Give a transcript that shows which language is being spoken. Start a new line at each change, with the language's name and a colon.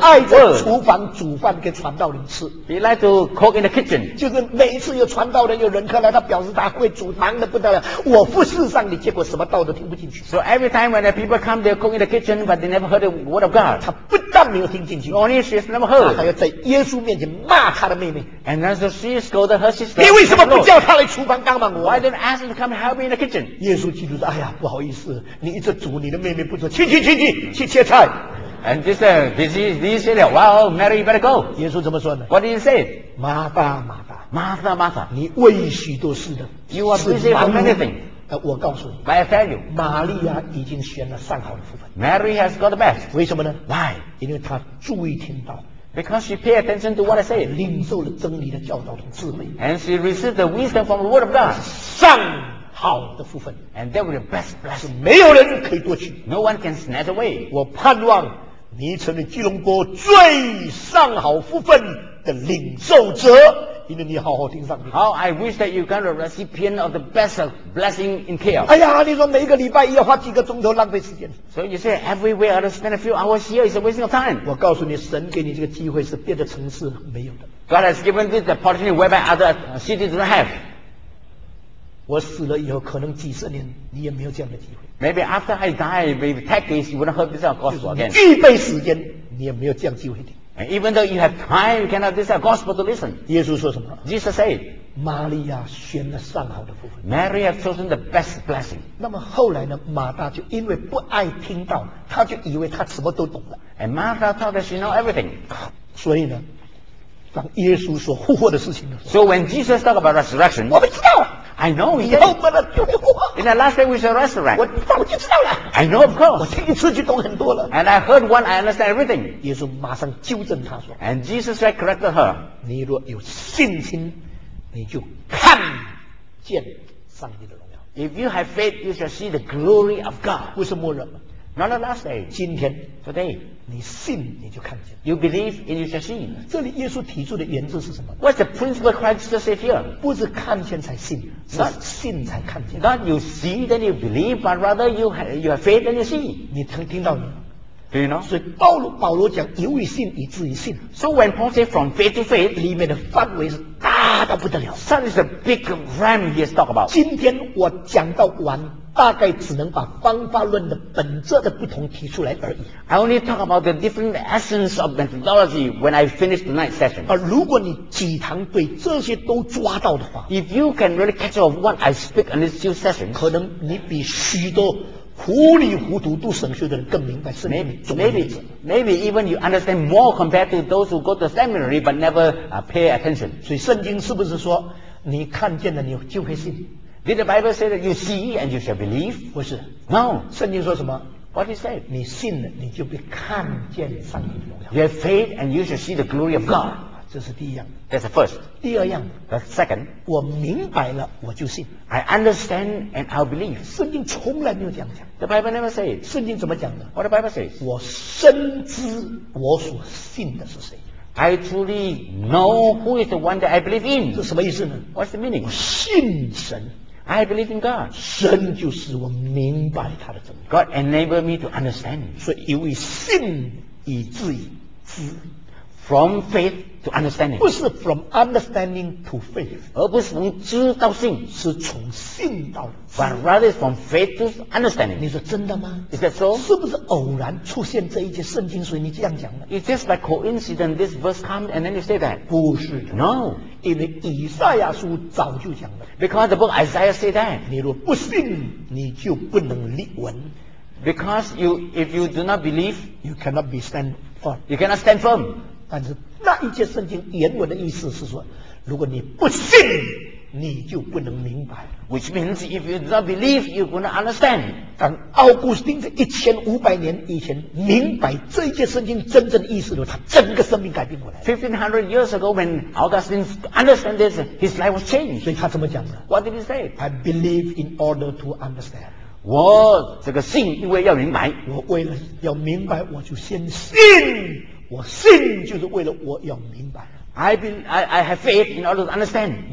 Chinese: 他爱在厨房煮饭给传道人吃。
English: He likes to cook in the kitchen.
Chinese: 就是每一次有传道人有人客来，他表示他会煮，忙得不得了。我服侍上帝，结果什么道都听不进去。
English: So every time when the people come, they cook in the kitchen, but they never heard the word of God.
Chinese: 他不但没有听进去
English: ，Only she's never heard.
Chinese: 他还要在耶稣面前骂他的妹妹。
English: And then so she scolded her sister.
Chinese: 你为什么不叫他来厨房帮忙我
English: ？Why didn't ask him to come help me in the kitchen?
Chinese: 耶稣基督说：“哎呀，不好意思，你一直煮，你的妹妹不煮，去切菜。”
English: And this disease said, well, Mary, you better go.
Chinese: 耶稣怎么说呢？
English: What did he say?
Chinese: 马大马大
English: Martha, Martha.
Chinese: 你为许多事的
English: You are busy for many things.
Chinese: 我告诉你
English: But I tell you,
Chinese: 玛利亚已经选了上好的福分
English: Mary has got the best.
Chinese: 为什么呢？
English: Why?
Chinese: 因为她注意听到
English: Because she paid attention to what I said.
Chinese: 领受了真理的教导和智慧
English: And she received the wisdom from the word of God.
Chinese: 上好的福分
English: And that was the best blessing.
Chinese: 没有人可以夺取
English: No one can snatch away.
Chinese: 我盼望你成了基隆坡最上好福分的领受者，因为你好好听上帝。
English: How I wish that you got a recipient of the best blessing in KL.
Chinese: 哎呀，你说每个礼拜要花几个钟头浪费时间。
English: So you say every week I have to spend a few hours here is a waste of time.
Chinese: 我告诉你，神给你这个机会是别的城市没有的。
English: God has given this opportunity whereby other cities do not have.
Chinese: 我死了以后，可能几十年你也没有这样的机会。
English: Maybe after I die, maybe decades, you wouldn't have this gospel again.
Chinese: 预备时间，你也没有这样机会的。
English: And even though you have time, you cannot this gospel to listen.
Chinese: 耶稣说什么？
English: Jesus said,
Chinese: 玛利亚选了上好的福分。
English: Mary has chosen the best blessing。
Chinese: 那么后来呢？马大就因为不爱听到，他就以为他什么都懂了。
English: And Martha thought that she knows everything。
Chinese: 所以呢，当耶稣说复活的事情呢
English: ？So when Jesus talked about resurrection，
Chinese: 我们知道了。
English: I know he did. Open the door. In the last day, we shall resurrect.
Chinese: 我早就知道了。
English: I know, of course.
Chinese: 我听一次就懂很多了。
English: And I heard one, I understand everything.
Chinese: 耶稣马上纠正他说。
English: And Jesus said, corrected her.
Chinese: 你若有信心，你就看见上帝的荣耀。
English: If you have faith, you shall see the glory of God.
Chinese: 不是末日。
English: Not the last day.
Chinese: 今天
English: ，today.
Chinese: 你信，你就看见。
English: You believe, and you shall see.
Chinese: 这里耶稣提出的原则是什么
English: ？What's the principle Christ just said here?
Chinese: 不是看见才信，是信才看见。
English: Not you see, then you believe, but rather you have faith, then you see.
Chinese: 你曾听到吗
English: ？Do you know?
Chinese: 所以保罗讲，由于信以至于信。
English: So when Paul said from faith to faith,
Chinese: 里面的范围是大到不得了。
English: That is the big realm he has talked about.
Chinese: 今天我讲到完。大概只能把方法论的本质的不同提出来而已。
English: I only talk about the different essence of methodology when I finish the night session.
Chinese: 而如果你几堂对这些都抓到的话
English: ，If you can really catch up what I speak in these two sessions，
Chinese: 可能你比许多糊里糊涂读神学的人更明白圣经的重点。
English: Maybe even you understand more compared to those who go to seminary but never pay attention。
Chinese: 所以圣经是不是说你看见了你就会信？
English: Did the Bible say that you see and you shall believe?
Chinese: 不是。
English: No.
Chinese: 圣经说什么？
English: What he said?
Chinese: 你信了，你就被看见上帝的荣耀。
English: You have faith and you shall see the glory of God.
Chinese: 这是第一样。
English: That's the first.
Chinese: 第二样。
English: The second.
Chinese: 我明白了，我就信。
English: I understand and I believe.
Chinese: 圣经从来没有这样讲。
English: The Bible never said.
Chinese: 圣经怎么讲的？
English: What the Bible says?
Chinese: 我深知我所信的是谁。
English: I truly know who is the one that I believe in.
Chinese: 这什么意思呢？
English: What's the meaning?
Chinese: 我信神。
English: I believe in God.
Chinese: 神就是我明白他的真理。
English: God enabled me to understand.
Chinese: 所以由于信以至于知。
English: From faith to understanding.
Chinese: 不是
English: from understanding to faith.
Chinese: 而不是从知到信。是从信到知。
English: But rather from faith to understanding.
Chinese: 你说真的吗？
English: Is that so?
Chinese: 是不是偶然出现这一节圣经，所以你这样讲的？
English: It's just by coincidence this verse comes and then you say that.
Chinese: 不是的。
English: No.
Chinese: 因为以赛亚书早就讲了。
English: Because the book Isaiah said that.
Chinese: 你若不信，你就不能立稳。
English: Because you, if you do not believe, you cannot be stand firm. You cannot stand firm.
Chinese: 但是那一节圣经原文的意思是说，如果你不信，你就不能明白。
English: Which means if you do not believe, you will not understand.
Chinese: 当奥古斯丁在1500年以前明白这一节圣经真正的意思的时候，他整个生命改变过来。
English: 1500 years ago, when Augustine understood this, his life was changed.
Chinese: 所以他怎么讲的
English: ？What did he say? I believe in order to understand.
Chinese: 我这个信，因为要明白。我为了要明白，我就先信。我信就是为了我要明白。
English: I have faith in order to understand.